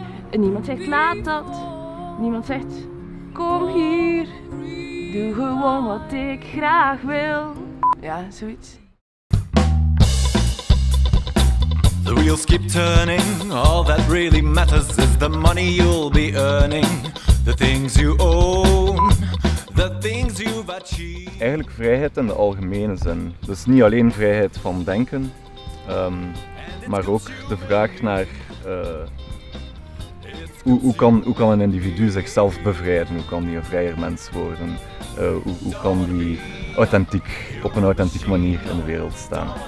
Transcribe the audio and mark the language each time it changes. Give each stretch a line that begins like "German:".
Dutch: En niemand zegt laat dat, niemand zegt kom hier, doe gewoon wat ik graag wil. Ja, zoiets.
English: The wheels keep turning, all that really matters is the money you'll be earning, the things you own. The things you've achieved.
Dutch: Eigenlijk vrijheid in de algemene zin. Dus niet alleen vrijheid van denken, maar ook de vraag naar hoe kan een individu zichzelf bevrijden? Hoe kan die een vrijer mens worden? Hoe kan die authentiek, op een authentieke manier in de wereld staan?